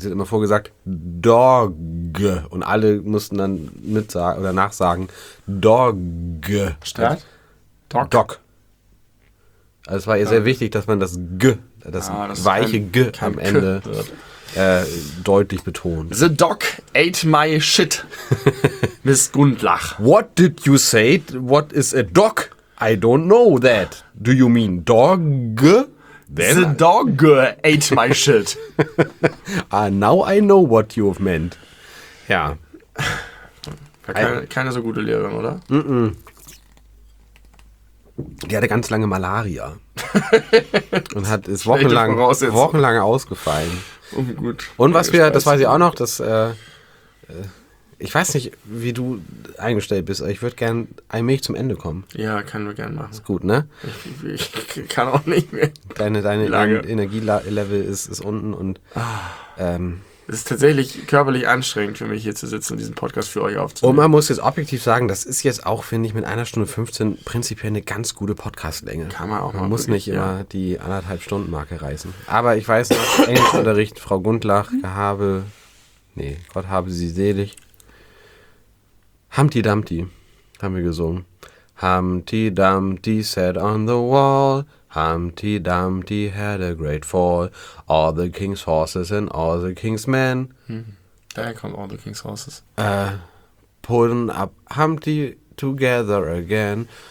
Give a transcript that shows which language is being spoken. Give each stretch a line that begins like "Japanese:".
German: Sie hat immer vorgesagt, Dog. Und alle mussten dann mit sagen oder nachsagen, Dog. Statt?
English: Dog. Dog.
German: Also es war ihr sehr wichtig, dass man das G, das weiche G am Ende deutlich betont.
English: The dog ate my shit, Miss Gundlach. What did you say? What is a dog? I don't know that. Do you mean dog? Then the dog ate my shit. Now I know what you have meant.
German: Ja. Keine so gute Lehrerin, oder? Mm-mm. Die hatte ganz lange Malaria. Und hat ist wochenlang ausgefallen. Oh, gut. Und was wir, das weiß ich auch noch, dass ich weiß nicht, wie du eingestellt bist, aber ich würde gern allmählich zum Ende kommen. Ja, können wir gerne machen. Ist gut, ne? Ich kann auch nicht mehr. Deine Energielevel ist unten und es ist tatsächlich körperlich anstrengend für mich, hier zu sitzen und diesen Podcast für euch aufzunehmen. Und man muss jetzt objektiv sagen, das ist jetzt auch, finde ich, mit 1 Stunde 15 prinzipiell eine ganz gute Podcastlänge. Kann man auch. Man muss wirklich, nicht immer die 1,5-Stunden-Marke reißen. Aber ich weiß noch, Englischunterricht, Frau Gundlach, Gott habe sie selig. Humpty Dumpty haben wir gesungen.
English: Humpty Dumpty sat on the wall. Humpty Dumpty had a great fall. All the king's horses and all the king's men.
German: Daher kommen
English: all the king's horses. Pulling up Humpty together again.